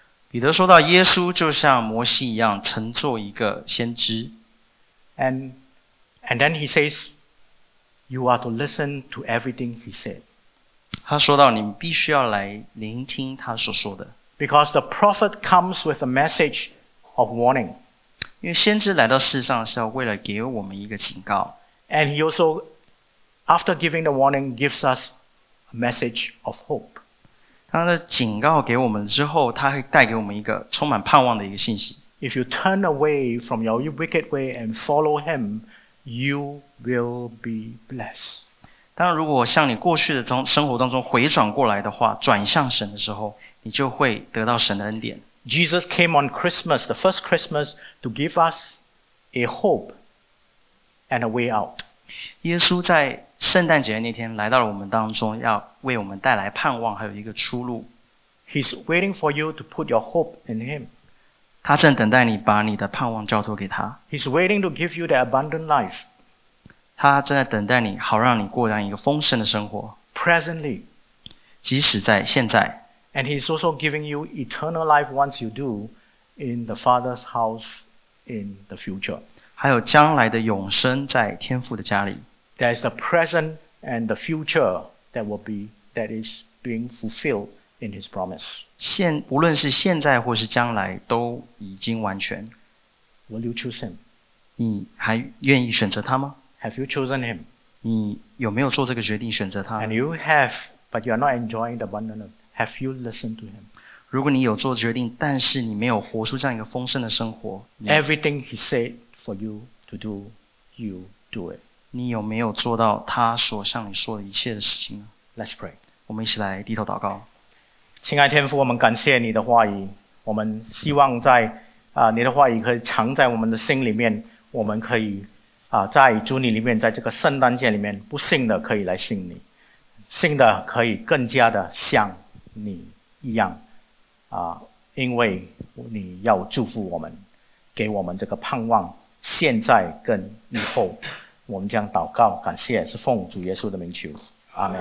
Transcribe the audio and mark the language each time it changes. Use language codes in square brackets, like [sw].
[zh] 彼得说到耶稣就像摩西一样乘坐一个先知。 [en] And then he says, you are to listen to everything he said. [zh] 他说到你必须要来聆听他所说的。 [en] Because the prophet comes with a message of warning. [zh] 因为先知来到世上是要为了给我们一个警告。 [en] And he also, after giving the warning, gives us a message of hope. [zh] 他的警告给我们之后，他会带给我们一个充满盼望的一个信息。 [en] If you turn away from your wicked way and follow him, you will be blessed. [zh] 当如果像你过去的生活当中回转过来的话，转向神的时候，你就会得到神的恩典。 [en] Jesus came on Christmas, the first Christmas, to give us a hope and a way out. [zh] 耶稣在圣诞节那天来到了我们当中，要为我们带来盼望，还有一个出路。 [en] He's waiting for you to put your hope in him. [zh] 他正等待你把你的盼望交托给他。 [en] He's waiting to give you the abundant life. [zh] 他正在等待你，好让你过上一个丰盛的生活。 [en] Presently. [zh] 即使在现在。 [en] And he's also giving you eternal life once you do in the Father's house in the future. [zh] 还有将来的永生在天父的家里。 [en] There's the present and the future that is being fulfilled. In his promise. [zh] 无论是现在或是将来都已经完全。 [en] Will you choose him? [zh] 你还愿意选择他吗? [en] Have you chosen him? [zh] 你有没有做这个决定选择他? [en] And you have, but you are not enjoying the abundance. Have you listened to him? [zh] 如果你有做决定,但是你没有活出这样一个丰盛的生活。 [en] Everything he said for you to do, you do it. [zh] 你有没有做到他所向你说的一切的事情呢? [en] Let's pray. [zh] 我们一起来低头祷告。亲爱天父，我们感谢你的话语，我们希望在你的话语可以藏在我们的心里面，我们可以在主你里面，在这个圣诞节里面，不信的可以来信你，信的可以更加的像你一样因为你要祝福我们，给我们这个盼望，现在跟以后。我们将祷告感谢是奉主耶稣的名求，阿们。